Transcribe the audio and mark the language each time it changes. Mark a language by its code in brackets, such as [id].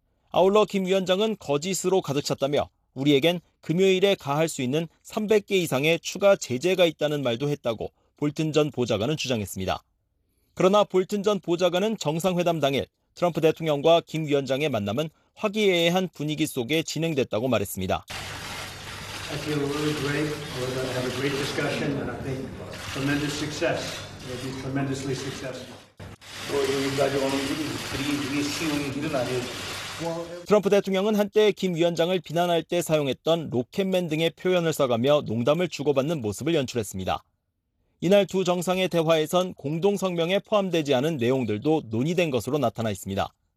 [ko] 아울러 김 위원장은 거짓으로 가득 찼다며 우리에겐 금요일에 가할 수 있는 300개 이상의 추가 제재가 있다는 말도 했다고 볼튼 전 보좌관은 주장했습니다. 그러나 볼튼 전 보좌관은 정상회담 당일 트럼프 대통령과 김 위원장의 만남은 화기애애한 분위기 속에 진행됐다고 말했습니다. [en] I feel really great. We're going to have a great discussion and I think tremendous success. It'll be tremendously successful. [ko] 여기까지 오는 길이 그리 쉬운 길은 아니에요. 트럼프 대통령은 한때 김 위원장을 비난할 때 사용했던 로켓맨 등의 표현을 써가며 농담을 주고받는 모습을 연출했습니다. 이날 두 정상의 대화에선 공동성명에 포함되지 않은 내용들도 논의된 것으로 나타나 있습니다.